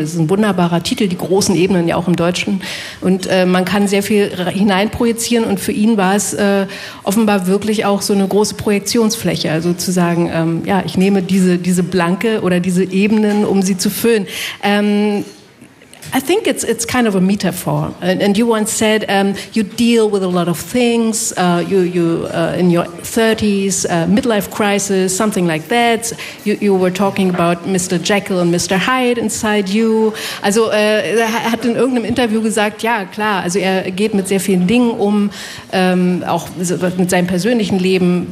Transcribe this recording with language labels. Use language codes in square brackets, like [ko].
[de] Es ist ein wunderbarer Titel, die großen Ebenen ja auch im Deutschen und man kann sehr viel hineinprojizieren und für ihn war es offenbar wirklich auch so eine große Projektionsfläche, also zu sagen, ich nehme diese Blanke oder diese Ebenen, um sie zu füllen. [en] I think it's kind of a metaphor. And you once said you deal with a lot of things. You in your 30s, midlife crisis, something like that. You were talking about Mr. Jekyll and Mr. Hyde inside you. [de] Also er hat in irgendeinem Interview gesagt, ja klar. Also er geht mit sehr vielen Dingen um, auch mit seinem persönlichen Leben.